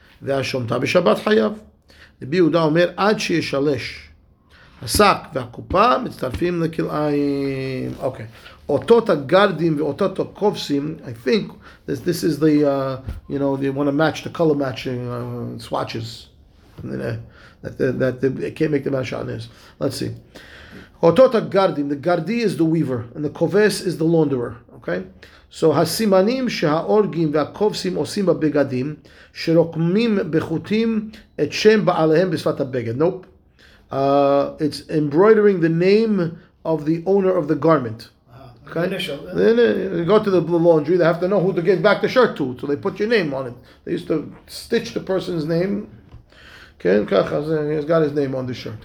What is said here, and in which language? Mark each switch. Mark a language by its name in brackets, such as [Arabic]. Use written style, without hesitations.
[Hebrew] והשומטה בשבת חייב. רבי יהודה אומר עד שישלש. השק והקופה מצטרפים לכלאיים. אוקיי. אותות הגרדים ואותות הקובסים, [English] I think this is the, you know, they want to match the color matching swatches. That they can't make the match on this. Let's see. [Hebrew] אותות הגרדים, [English] the גרדי is the weaver, and the קובס is the launderer, okay? [Hebrew] So הסימנים שהאורגים והקובסים עושים בבגדים, שרוקמים בחוטים את שם בעליהם בשפת הבגד. [English] Nope. It's embroidering the name of the owner of the garment. Okay. Then they go to the laundry. They have to know who to give back the shirt to. So they put your name on it. They used to stitch the person's name. Okay, he's got his name on the shirt.